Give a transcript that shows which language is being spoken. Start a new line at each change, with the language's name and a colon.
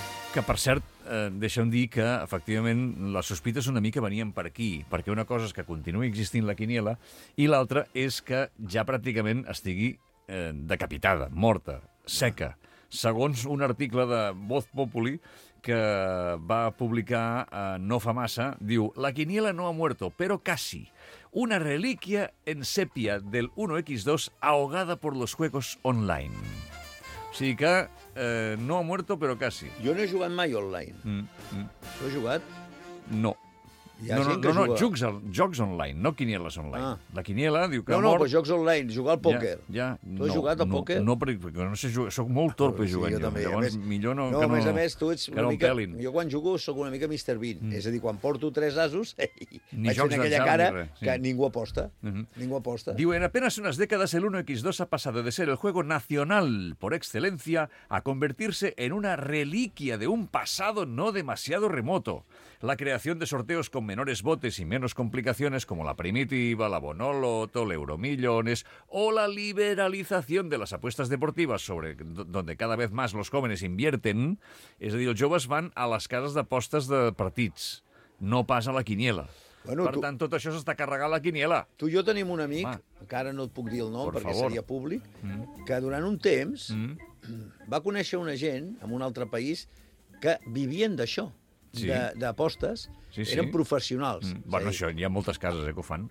Catalan: Que, per cert, deixa'm dir que, efectivament, les sospites una mica venien per aquí, perquè una cosa és que continuï existint la quiniela, i l'altra és que ja pràcticament estigui decapitada, morta, seca, segons un article de Voz Populi, que va publicar no fa massa, diu:
Spanish: "La quiniela no ha muerto, pero casi. Una reliquia en sepia del 1X2 ahogada por los juegos online."
Catalan: O sigui que
Spanish: no ha muerto, pero casi.
Catalan: Jo no he jugat mai online. Tu has jugat? No. Jocs, jocs online, no quinieles online. Ah. La quiniela diu que mort... No, però jocs online, jugar al pòquer. Ja. Tu has jugat al pòquer? No, perquè no sé jugar, soc molt torpe jugant jo. També. Llavors, millor no, no, que no... A més a més, tu ets una mica... Pelin. Jo quan jugo soc una mica Mr. Bean. Mm. És a dir, quan porto tres asos, ni vaig fent aquella cara que ningú aposta. Ningú aposta.
Spanish: Diu: "En apenas unas décadas, el 1X2 ha pasado de ser el juego nacional por excelencia a convertirse en una reliquia de un pasado no demasiado remoto. La creación de sorteos con menores botes y menos complicaciones, como la Primitiva, la Bonoloto, el Euromillones, o la liberalización de las apuestas deportivas, sobre donde cada vez más los jóvenes invierten",
Catalan: és a dir, els joves van a les cases d'apostes de partits, no pas a la quiniela. Bueno, per tant, tot això s'està carregant la quiniela. Tu i jo tenim un amic, que ara no et puc dir el nom, perquè seria públic, que durant un temps va conèixer una gent en un altre país que vivien d'això. Sí. D'apostes, eren professionals. Bueno, això, hi ha moltes cases que ho fan.